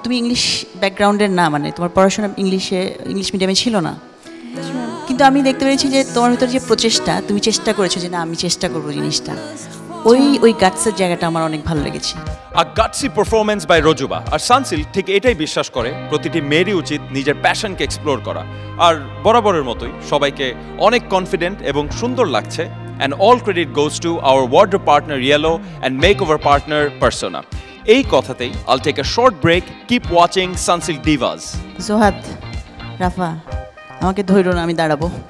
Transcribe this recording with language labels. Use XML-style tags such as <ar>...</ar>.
<bn>তুমি ইংলিশ ব্যাকগ্রাউন্ডের না, মানে তোমার পড়াশোনা ইংলিশে, ইংলিশ মিডিয়ামে ছিল না, কিন্তু আমি দেখতে পেরেছি যে তোমার ভিতরে যে প্রচেষ্টা, তুমি চেষ্টা করেছো যে না আমি চেষ্টা করবো জিনিসটা, ওই ওই গাটসের জায়গাটা আমার অনেক ভালো লেগেছে।</bn> <en>A gutsy performance by রোজুবা।</en> <bn>আর সানসিল ঠিক এটাই বিশ্বাস করে, প্রতিটি মেয়েরই উচিত নিজের প্যাশনকে এক্সপ্লোর করা। আর বরাবরের মতোই সবাইকে অনেক কনফিডেন্ট এবং সুন্দর লাগছে।</bn> <en>And all credit goes to our wardrobe partner Yellow and makeover partner Persona.</en> <bn>এই কথাতেই</bn> <en>I'll take a short break. Keep watching Sunsilk Divas.</en> <bn>Zohat, Rafa, আমাকে ধৈর্য না, আমি দাঁড়াবো।</bn>